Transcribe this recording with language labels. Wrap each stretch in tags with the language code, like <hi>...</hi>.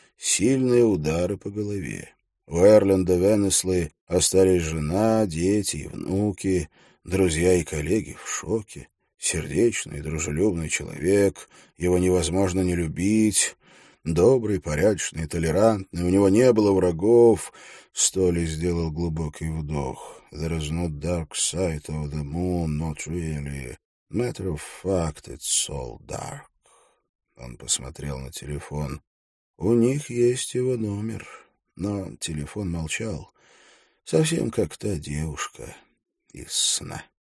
<ru>Сильные удары по голове. У Эрленда Венеслы остались жена, дети и внуки, друзья и коллеги в шоке. Сердечный и дружелюбный человек, его невозможно не любить. Добрый, порядочный, толерантный, у него не было врагов. Столи сделал глубокий вдох.</ru> <en>There is no dark side of the moon, not really. Matter of fact, it's all dark.</en> <ru>Он посмотрел на телефон. У них есть его номер. Но телефон молчал, совсем как та девушка из сна.</ru>